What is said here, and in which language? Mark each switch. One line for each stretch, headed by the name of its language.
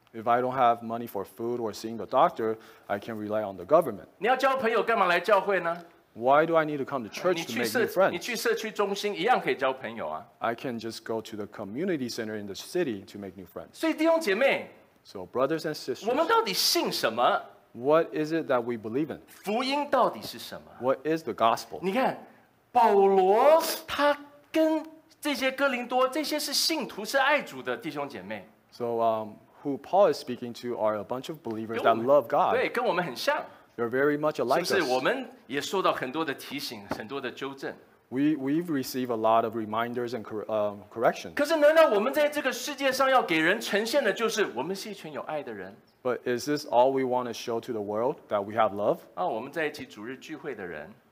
English: If I don't have money for food or seeing the doctor, I can rely on the government.
Chinese: 你要交朋友，干嘛来教会呢？
English: Why do I need to come to church to make new friends?
Chinese: 你去社区中心一样可以交朋友啊。
English: I can just go to the community center in the city to make new friends.
Chinese: 所以弟兄姐妹。
English: So brothers and sisters,
Chinese: 我们到底信什么?
English: What is it that we believe in?
Chinese: 福音到底是什么?
English: What is the gospel?
Chinese: 你看, 保罗他跟这些哥林多，这些是信徒，是爱主的弟兄姐妹。
English: So who Paul is speaking to are a bunch of believers that love God.
Chinese: 对，跟我们很像。
English: They're very much alike.
Chinese: 是不是我们也受到很多的提醒，很多的纠正。
English: We've received a lot of reminders and corrections.
Chinese: 可是难道我们在这个世界上要给人呈现的就是我们是一群有爱的人？
English: But is this all we want to show to the world, that we have love?
Chinese: 啊，我们在一起主日聚会的人。